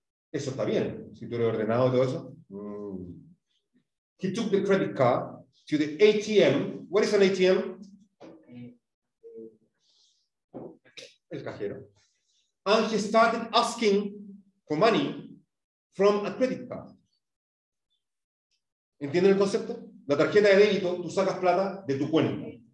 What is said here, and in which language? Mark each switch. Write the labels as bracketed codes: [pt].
[es] Eso está bien, si tú eres ordenado y todo eso. [en] He took the credit card to the ATM. What is an ATM? [es] El cajero. [en] And he started asking for money from a credit card. [es] ¿Entienden el concepto? La tarjeta de débito, tú sacas plata de tu cuenta.